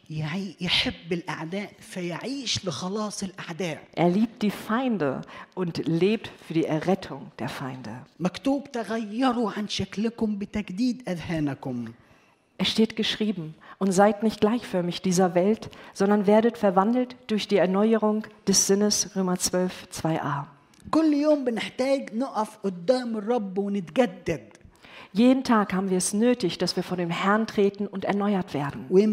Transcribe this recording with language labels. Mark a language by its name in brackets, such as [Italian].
[Arabic] يحب الأعداء فيعيش لخلاص الأعداء. [German] Er liebt die Feinde und lebt für die Errettung der Feinde. [Arabic] مكتوب تغيروا عن شكلكم بتجديد أذهانكم. [German] Es steht geschrieben: Und seid nicht gleichförmig dieser Welt, sondern werdet verwandelt durch die Erneuerung des Sinnes. Römer 12, 2a. [Arabic] كل يوم بنحتاج نقف قدام الرب ونتجدد. [German] Jeden Tag haben wir es nötig, dass wir vor dem Herrn treten und erneuert werden.